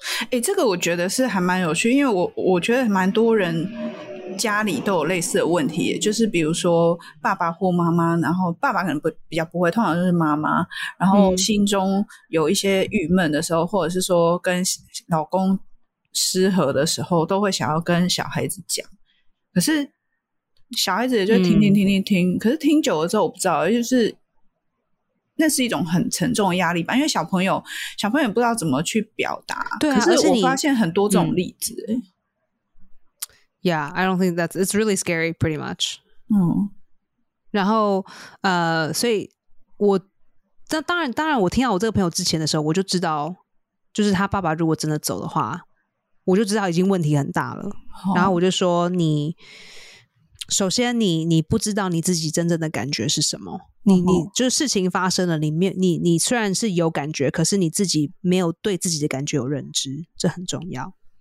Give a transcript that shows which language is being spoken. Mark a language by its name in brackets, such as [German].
[Chinese] 欸，这个我觉得是还蛮有趣，因为我觉得蛮多人家里都有类似的问题，就是比如说爸爸或妈妈，然后爸爸可能比较不会，通常就是妈妈，然后心中有一些郁闷的时候，或者是说跟老公失和的时候，都会想要跟小孩子讲，可是小孩子也就听听听听听、嗯、可是听久了之后我不知道，就是那是一种很沉重的压力吧，因为小朋友不知道怎么去表达。对、啊、可是我发现很多这种例子、 [English] 嗯、Yeah, I don't think that's it's really scary pretty much、嗯、 [Chinese] 然后所以我当然我听到我这个朋友之前的时候，我就知道就是他爸爸如果真的走的话，我就知道已经问题很大了。然后我就说，你首先你不知道你自己真正的感觉是什么，你就是事情发生了，你虽然是有感觉，可是你自己没有对自己的感觉有认知，这很重要。